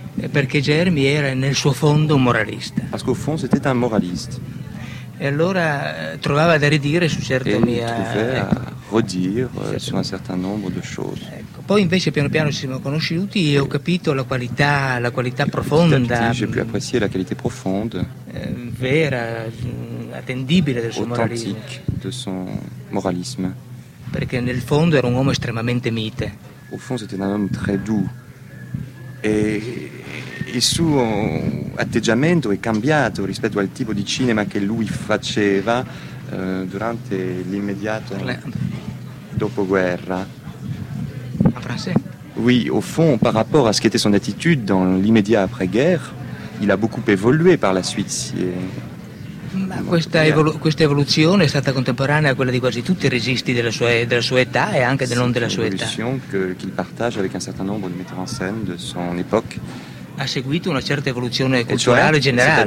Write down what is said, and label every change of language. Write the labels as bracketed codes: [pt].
[it] Perché Germi era nel suo fondo un moralista. [fr] Parce qu'au fond, c'était un moraliste. [it] E allora trovava da ridire su certe mie. [fr] Su un certain nombre de choses. [it] Ecco. Poi invece piano piano ci siamo conosciuti e ho capito la qualità profonda. [fr] J'ai pu apprécier la qualité profonde. [it] Vera, attendibile del suo moralismo. [fr] Authentique de son moralisme. [it] Perché nel fondo era un uomo estremamente mite. [fr] Au fond, c'était un homme très doux. [it] Et il suo atteggiamento è cambiato rispetto al tipo di cinema che lui faceva durante l'immediato dopoguerra. [fr] En français? Oui, au fond, par rapport à ce qu'était son attitude dans l'immédiat après-guerre, il a beaucoup évolué par la suite. [it] Ma questa evoluzione è stata contemporanea a quella di quasi tutti i registi della sua età e anche del non della sua età. [fr] Qu'il partage avec un certain nombre de metteurs en scène de son époque. [it] Ha seguito una certa evoluzione culturale generale.